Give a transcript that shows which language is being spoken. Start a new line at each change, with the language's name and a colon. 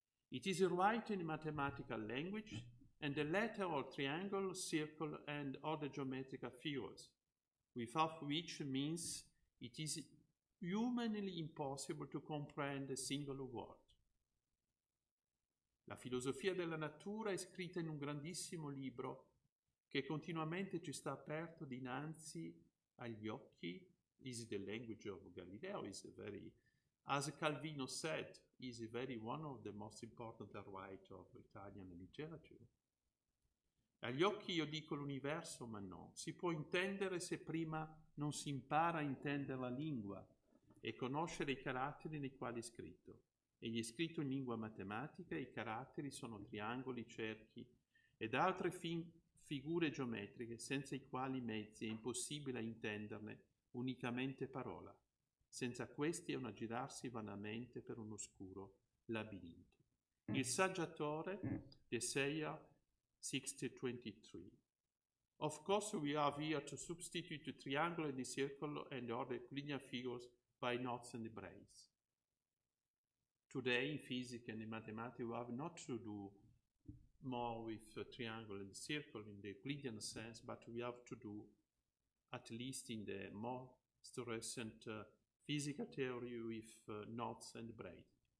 English: It is written in mathematical language, and the letter or triangle, circle, and other geometrical figures, without which means it is humanly impossible to comprehend a single word.
Italian: La filosofia della natura è scritta in un grandissimo libro che continuamente ci sta aperto dinanzi agli occhi.
English: Is the language of Galileo, is very, as Calvino said, is very one of the most important writers of Italian literature.
Italian: Agli occhi io dico l'universo, ma no, si può intendere se prima non si impara a intendere la lingua e conoscere i caratteri nei quali è scritto. Egli è scritto in lingua matematica, i caratteri sono triangoli, cerchi ed altre figure geometriche senza i quali mezzi è impossibile intenderne unicamente parola. Senza questi è un aggirarsi vanamente per un oscuro labirinto. Il saggiatore, Isaiah 60:23.
English: Of course we have here to substitute the triangle and the circle and other linear figures by knots and braids. Today in physics and in mathematics we have not to do more with triangle and circle in the Euclidean sense, but we have to do, at least in the most recent physical theory, with knots and braids.